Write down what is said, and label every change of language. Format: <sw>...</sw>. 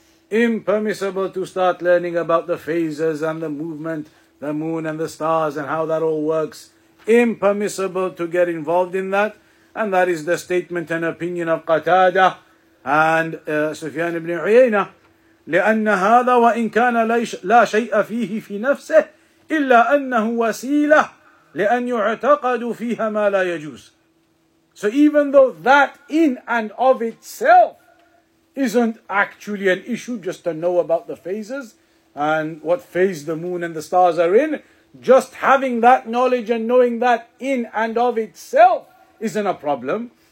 <en>Impermissible to start learning about the phases and the movement, the moon and the stars and how that all works. Impermissible to get involved in that. And that is the statement and opinion of Qatada and Sufyan ibn Uyayna.</en> <ar>لأن هذا وإن كان لا شيء فيه في نفسه إلا أنه وسيلة لأن يعتقد فيها ما لا يجوز.</ar> <en>So even though that in and of itself isn't actually an issue, just to know about the phases and what phase the moon and the stars are in, just having that knowledge and knowing that in and of itself isn't a problem.</en>